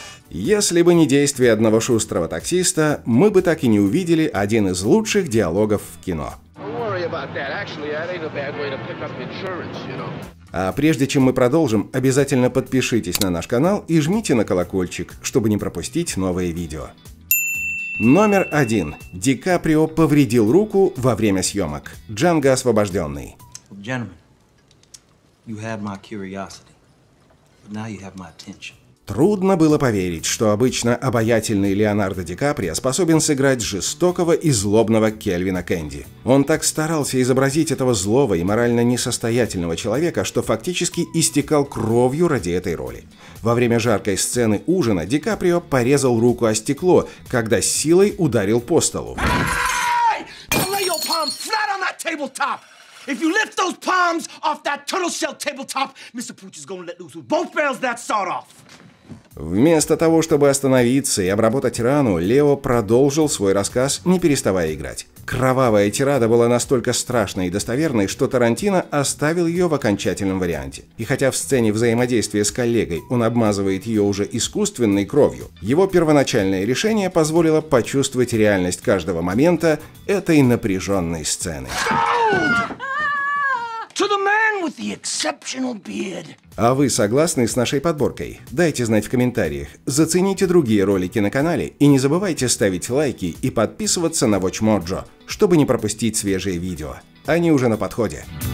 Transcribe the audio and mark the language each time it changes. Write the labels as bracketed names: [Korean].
[Russian] Если бы не действие одного шустрого таксиста, мы бы так и не увидели один из лучших диалогов в кино. [English] Don't worry about that. Actually, that ain't a bad way to pick up insurance, you know. [Russian] А прежде чем мы продолжим, обязательно подпишитесь на наш канал и жмите на колокольчик, чтобы не пропустить новые видео. Номер один. Ди Каприо повредил руку во время съемок. Джанго освобожденный. [English] Gentlemen, you had my curiosity, but now you have my attention. [Russian] Трудно было поверить, что обычно обаятельный Леонардо Ди Каприо способен сыграть жестокого и злобного Кельвина Кэнди. Он так старался изобразить этого злого и морально несостоятельного человека, что фактически истекал кровью ради этой роли. Во время жаркой сцены ужина Ди Каприо порезал руку о стекло, когда силой ударил по столу. [English] If you lift those palms off that turtle shell tabletop, Mr. Pooch is gonna let loose with both barrels that sawed off. [Russian] Вместо того, чтобы остановиться и обработать рану, Лео продолжил свой рассказ, не переставая играть. Кровавая тирада была настолько страшной и достоверной, что Тарантино оставил ее в окончательном варианте. И хотя в сцене взаимодействия с коллегой он обмазывает ее уже искусственной кровью, его первоначальное решение позволило почувствовать реальность каждого момента этой напряженной сцены. [English] To the man with the exceptional beard. [Russian] А вы согласны с нашей подборкой? Дайте знать в комментариях, зацените другие ролики на канале и не забывайте ставить лайки и подписываться на WatchMojo, чтобы не пропустить свежие видео. Они уже на подходе.